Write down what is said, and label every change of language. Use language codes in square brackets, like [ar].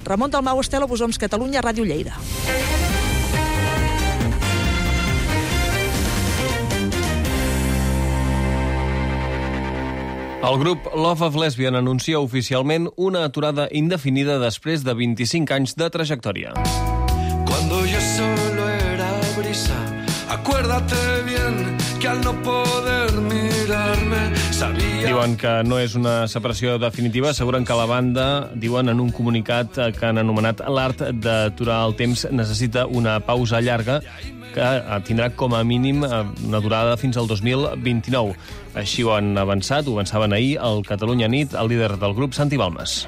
[ca] Ramon Dalmau, Estela Bussons, Catalunya Ràdio, Lleida. El grup Love of Lesbian anuncia oficialment una aturada indefinida després de 25 anys de trajectòria. [es] Cuando yo solo era brisa, acuérdate bien que al no poder mirarme sabía... [ca] Diuen que no és una separació definitiva. Aseguren que la banda, diuen en un comunicat que han anomenat l'art d'aturar el temps, necessita una pausa llarga que tindrà com a mínim una durada fins al 2029. Així ho han avançat, ho avançaven ahir, el Catalunya Nit, el líder del grup, Santi Balmes.